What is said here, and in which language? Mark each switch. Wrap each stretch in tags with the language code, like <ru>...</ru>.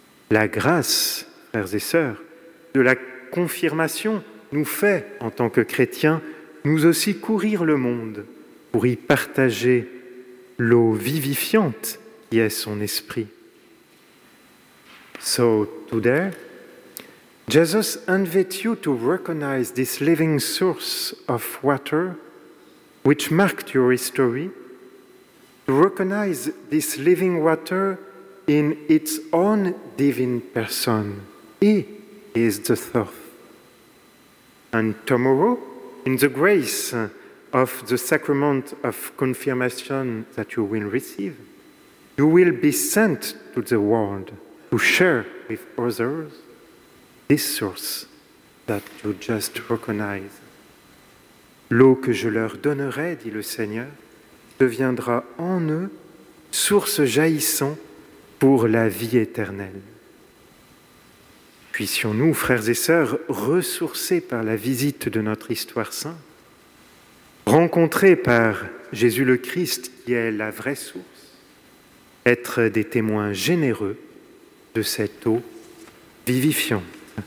<fr>La grâce, frères et sœurs, de la confirmation nous fait, en tant que chrétiens, nous aussi courir le monde pour y partager l'eau vivifiante qui est son esprit.</fr> <en>So, today, Jesus invites you to recognize this living source of water which marked your history, to recognize this living water in its own divine person. He is the thirst. And tomorrow, in the grace of the sacrament of confirmation that you will receive, you will be sent to the world to share with others this source that you just recognize.</en> <fr>L'eau que je leur donnerai, dit le Seigneur, deviendra en eux source jaillissant pour la vie éternelle. Puissions-nous, frères et sœurs, ressourcés par la visite de notre histoire sainte, rencontrés par Jésus le Christ qui est la vraie source, être des témoins généreux de cette eau vivifiante.</fr>